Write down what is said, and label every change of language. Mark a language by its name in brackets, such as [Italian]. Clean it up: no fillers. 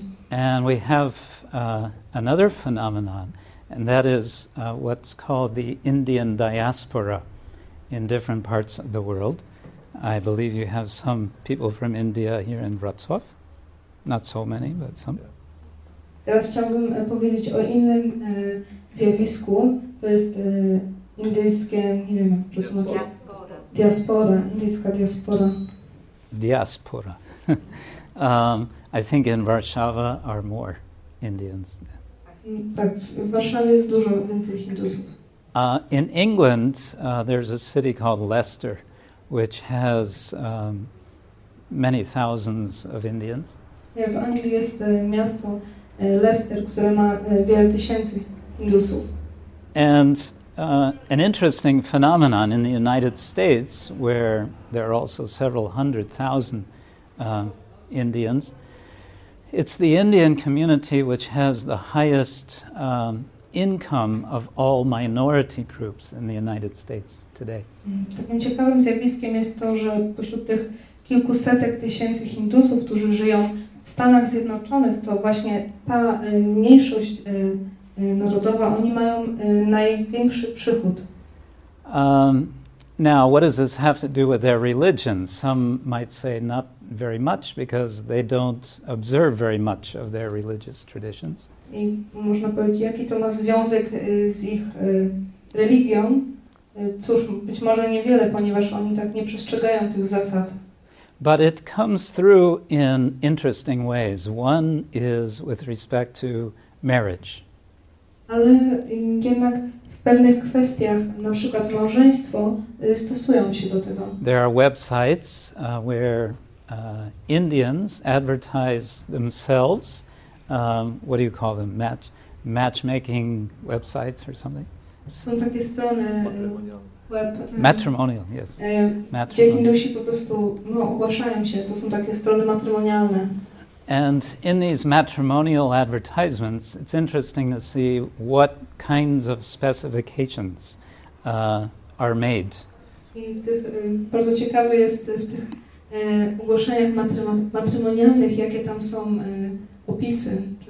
[English] And we have another phenomenon, and that is what's called the Indian diaspora in different parts of the world. I believe you have some people from India here in Wrocław. Not so many, but some. [Polish] Teraz chciałbym powiedzieć o innym zjawisku. To jest indyjska diaspora. [English] I think in Warszawa are more Indians. [Polish] Tak, w Warszawie jest dużo więcej Hindusów. [English] In England, there's a city called Leicester, which has many thousands of Indians. [Polish] W Anglii jest miasto Leicester, które ma wiele tysięcy Hindusów. [English] And an interesting phenomenon in the United States, where there are also several hundred thousand Indians, it's the Indian community which has the highest income of all minority groups in the United States today. [Polish] Takim ciekawym zjawiskiem jest to, że pośród tych kilkusetek tysięcy Hindusów, którzy żyją w Stanach Zjednoczonych, to właśnie ta mniejszość narodowa, oni mają największy przychód. [English] Now, what does this have to do with their religion? Some might say not very much because they don't observe very much of their religious traditions. [Polish] I można powiedzieć, jaki to ma związek z ich religią? Cóż, być może niewiele, ponieważ oni tak nie przestrzegają tych zasad. [English] But it comes through in interesting ways. One is with respect to marriage. [Polish] Ale jednak w pewnych kwestiach, na przykład małżeństwo, stosują się do tego. [English] There are websites where Indians advertise themselves. What do you call them? Matchmaking websites or something? [Polish] Są takie strony [English] matrimonial, yes. [Polish] Gdzie Hindusi po prostu ogłaszają się. To są takie strony matrimonialne. [English] And in these matrimonial advertisements, it's interesting to see what kinds of specifications are made. [Polish] Bardzo ciekawe jest w tych ogłoszeniach matrimonialnych, jakie tam są opisy.